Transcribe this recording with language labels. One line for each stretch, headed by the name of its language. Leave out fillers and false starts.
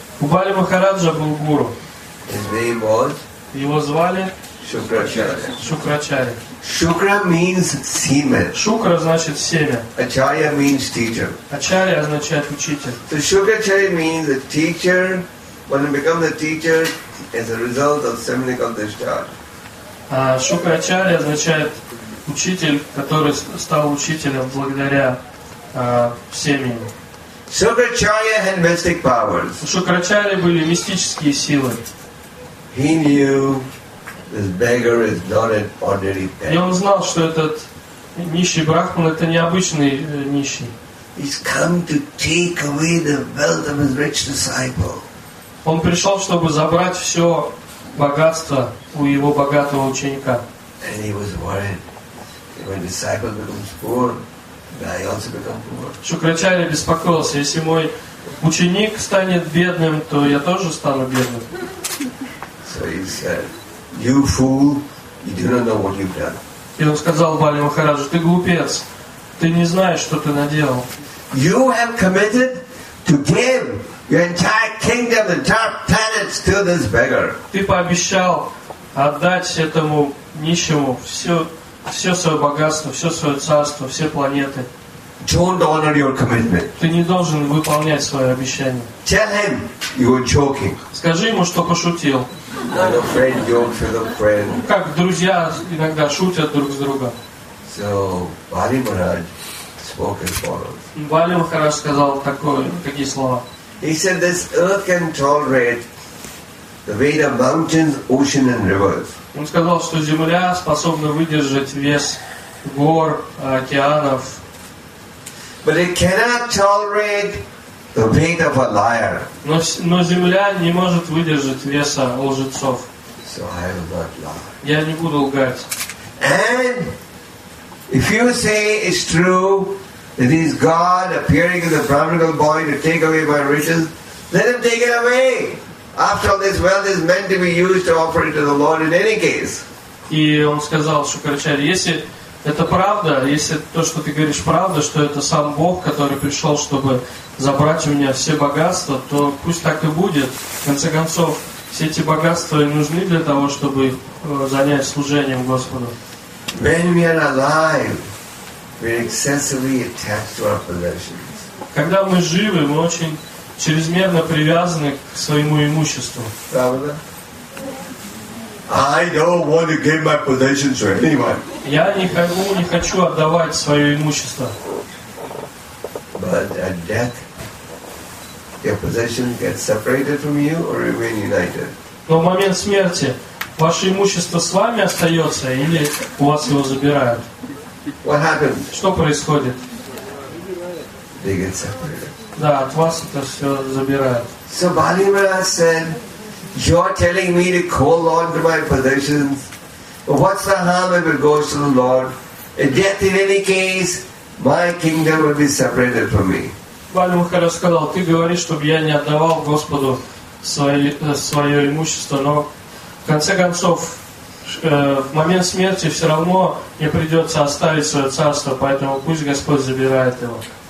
Russian: У Бали Махараджа был гуру.
English: His name was?
Russian: Его звали? Шукрачарья.
English: Шукра means semen.
Russian: Шукра значит семя.
English: Ачарья means teacher.
Russian: Ачарья означает учитель.
English: So Шукрачарья means a teacher. When you become the teacher, as a result of seminal discharge.
Russian: Шукрачарья означает учитель, который стал учителем благодаря семени.
English: Шукрачарья had mystic powers.
Russian: У Шукрачарьи были мистические силы.
English: He knew this beggar is not an ordinary beggar.
Russian: И он знал, что этот нищий брахман это необычный нищий.
English: He's come to take away the wealth of his rich disciple.
Russian: Он пришел, чтобы забрать все богатство у его богатого ученика.
English: And he was worried. When disciple becomes poor, I also become poor.
Russian: Шукрачарья беспокоился, если мой ученик станет бедным, то я тоже стану бедным.
English: So he said, "You fool, you do not know what you've done."
Russian: И он сказал Бали Махараджу: "Ты глупец, ты не знаешь, что ты наделал."
English: You have committed to give your entire kingdom, entire planets to this beggar.
Russian: Ты пообещал отдать этому нищему все. Все свое богатство, все свое царство, все планеты.
English: Don't honor your commitment.
Russian: Ты не должен выполнять свое обещание.
English: Tell him you were joking.
Russian: Скажи ему, что пошутил.
English: Like a friend jokes with a friend.
Russian: Как друзья иногда шутят друг с другом.
English: So, Бали Махарадж spoke as follows.
Russian: Бали Махарадж сказал такое, такие слова.
English: He said, this earth can tolerate the weight of mountains, ocean and rivers.
Russian: Он сказал, что земля способна выдержать вес гор, океанов.
English: But it cannot tolerate the weight of a liar.
Russian: Но земля не может выдержать веса лжецов.
English: So I will not lie.
Russian: Я не буду лгать.
English: And if you say it's true that he's God appearing as a brahminical boy to take away my riches, let him take it away. After all, this wealth is meant to be used to offer it to the Lord in any case.
Russian: И он сказал Шукрачарье, если это правда, если то, что ты говоришь, правда, что это сам Бог, который пришел, чтобы забрать у меня все богатства, то пусть так и будет. В конце концов, все эти богатства и нужны для того, чтобы занять служением Господу.
English: When we are alive, we are excessively attached to our possessions.
Russian: Когда мы живы, мы очень чрезмерно привязаны к своему имуществу. Правда?
English: I don't want to give my possessions to anyone.
Russian: Я не хочу отдавать свое имущество.
English: But at death, your possessions get separated from you or remain united.
Russian: Но в момент смерти ваше имущество с вами остается или у вас его забирают?
English: What happens?
Russian: Что происходит?
English: They get separated.
Russian: Да, от вас это все забирают.
English: So Bali Maharaj said, "You're telling me to hold on to my possessions. What's the harm if it goes to the Lord? Death in any case, my kingdom will be separated from me."
Russian: Бали Махарадж сказал, ты говоришь, чтобы я не отдавал Господу свое имущество, но в конце концов, в момент смерти все равно мне придется оставить свое царство, поэтому пусть Господь забирает его.